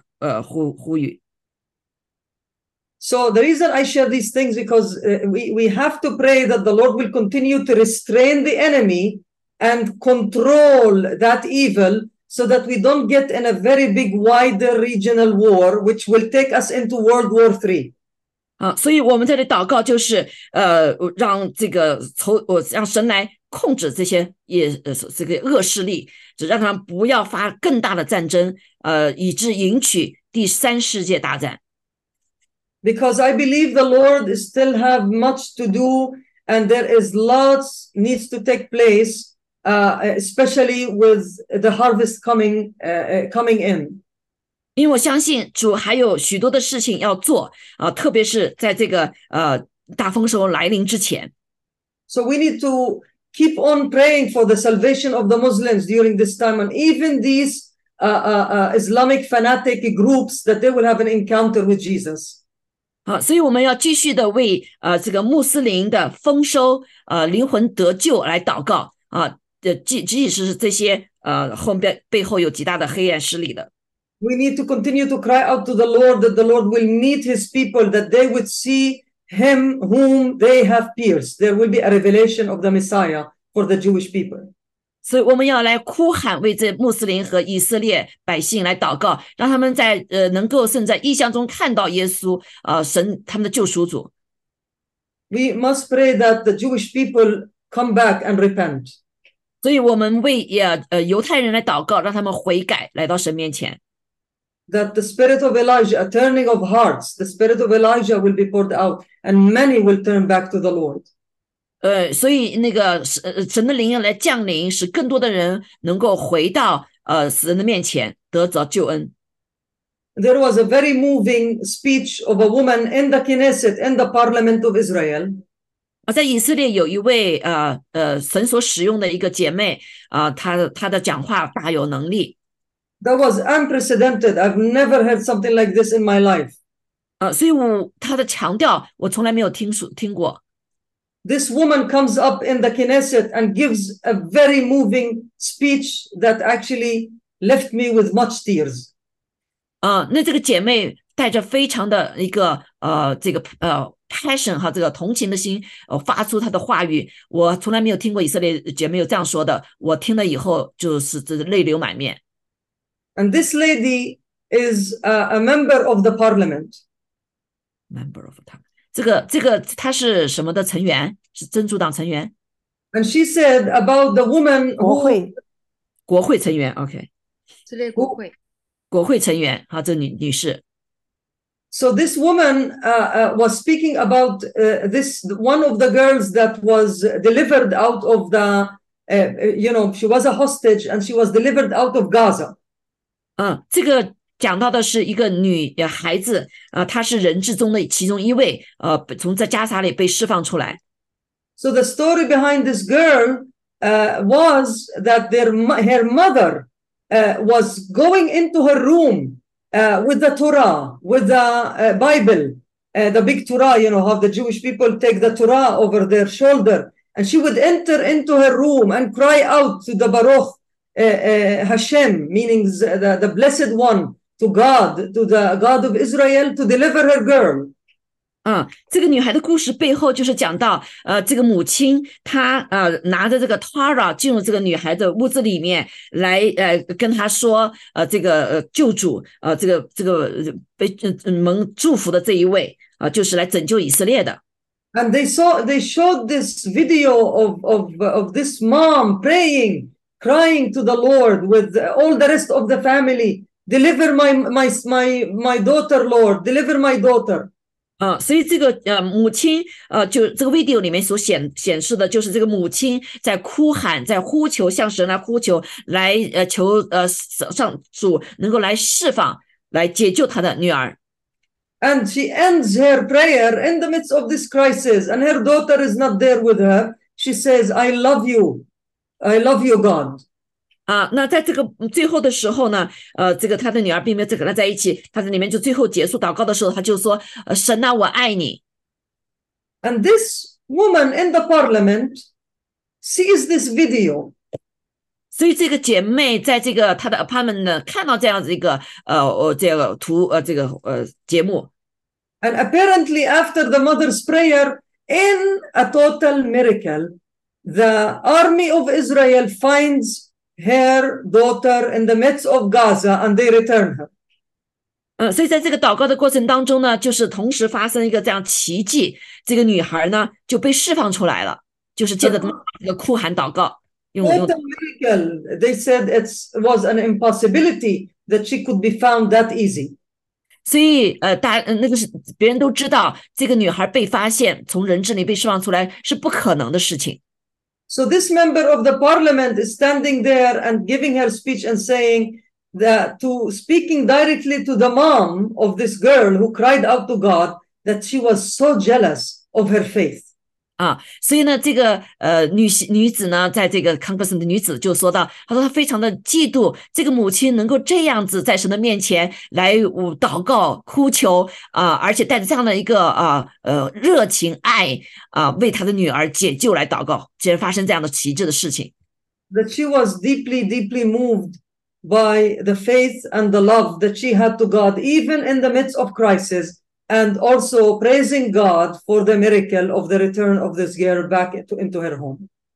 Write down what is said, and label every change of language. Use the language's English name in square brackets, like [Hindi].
[Chinese] 好，所以他从北部发出一些飞弹，但是还没有发出这个战争的呼吁。 [English] So the reason I share these things because we have to pray that the Lord will continue to restrain the enemy. And control that evil so that we don't get in a very big, wider regional war, which will take us into World War III. [Chinese] 所以我们在这里祷告，就是让神来控制这些恶势力，让他们不要发更大的战争，以致引起第三世界大战。 [English] Because I believe the Lord still have much to do, and there is lots needs to take place. Especially with the harvest coming in. [Chinese] 因为我相信主还有许多的事情要做啊，特别是在这个大丰收来临之前。 [English] So we need to keep on praying for the salvation of the Muslims during this time, and even these Islamic fanatic groups that they will have an encounter with Jesus. [Chinese] 好，所以我们要继续的为这个穆斯林的丰收灵魂得救来祷告啊，即使是这些后面背后有极大的黑暗势力的。 [English] We need to continue to cry out to the Lord that the Lord will meet His people, that they would see Him whom they have pierced. There will be a revelation of the Messiah for the Jewish people. [Chinese] 所以我们要来哭喊，为这穆斯林和以色列百姓来祷告，让他们在能够甚在异象中看到耶稣，神他们的救赎主。 [English] We must pray that the Jewish people come back and repent. [Chinese] 所以我们为犹太人来祷告，让他们悔改，来到神面前。 [English] That the spirit of Elijah, a turning of hearts, the spirit of Elijah will be poured out, and many will turn back to the Lord. [Chinese] 所以那个神的灵来降临，使更多的人能够回到神的面前，得着救恩。 [English] There was a very moving speech of a woman in the Knesset, in the parliament of Israel. [Chinese] 在以色列有一位神所使用的一个姐妹她的讲话大有能力。 [English] That was unprecedented. I've never heard something like this in my life. [Chinese] 所以她的强调我从来没有听过。 [English] This woman comes up in the Knesset and gives a very moving speech that actually left me with much tears. [Chinese] 那这个姐妹带着非常的一个passion 哈，这个同情的心，发出她的话语。我从来没有听过以色列姐妹有这样说的。我听了以后就是这泪流满面。 [English] And this lady is a member of the parliament. Member of parliament. [Chinese] 这个她是什么的成员？是真主党成员。 [English] And she said about the woman who [Chinese] 国会，国会成员。OK，这类国会，国会成员。好，这女士。 [English] So this woman was speaking about this one of the girls that was delivered out of the you know she was a hostage and she was delivered out of Gaza. [Chinese] 这个讲到的是一个女孩子，她是人质中的其中一位，从在加沙里被释放出来。 [English] So the story behind this girl was that her mother was going into her room with the Torah, with the Bible, the big Torah, you know, how the Jewish people take the Torah over their shoulder. And she would enter into her room and cry out to the Baruch Hashem, meaning the blessed one, to God, to the God of Israel, to deliver her girl. [Chinese] 这个女孩的故事背后就是讲到，这个母亲她拿着这个 Tara 进入这个女孩的屋子里面来，跟她说，这个救主，这个被蒙祝福的这一位，就是来拯救以色列的。 [English] And they showed this video of this mom praying, crying to the Lord with all the rest of the family, deliver my daughter, Lord, deliver my daughter. [Chinese] 所以这个母亲就这个 video 里面所显示的，就是这个母亲在哭喊，在呼求，向神来呼求，来求上主能够来释放，来解救她的女儿。 [English] And she ends her prayer in the midst of this crisis, and her daughter is not there with her. She says, "I love you, I love you, God." [Chinese] 那在这个最后的时候呢，这个他的女儿并没有跟他在一起，他在里面就最后结束祷告的时候，他就说，神啊，我爱你。 [English] And this woman in the parliament sees this video. [Chinese] 所以这个姐妹在这个她的 apartment 呢，看到这样子一个这个图这个节目。 [English] And apparently after the mother's prayer, in a total miracle, the army of Israel finds her daughter in the midst of Gaza, and they return her. [Chinese] 所以在这个祷告的过程当中呢，就是同时发生一个这样奇迹，这个女孩呢就被释放出来了，就是借着这个哭喊祷告， [English] What a miracle! They said it was an impossibility that she could be found that easy. [Chinese] 所以那个是别人都知道，这个女孩被发现从人质里被释放出来是不可能的事情。 [English] So this member of the parliament is standing there and giving her speech and saying, that to speaking directly to the mom of this girl who cried out to God that she was so jealous of her faith. [Chinese] 所以呢，这个女子呢，在这个Congress的女子就说到，她说她非常的嫉妒这个母亲能够这样子在神的面前来祷告、哭求啊、而且带着这样的一个热情爱啊、为她的女儿解救来祷告，竟然发生这样的奇迹的事情。 [English] That she was deeply moved by the faith and the love that she had to God, even in the midst of crisis, and also praising God for the miracle of the return of this girl back into her home.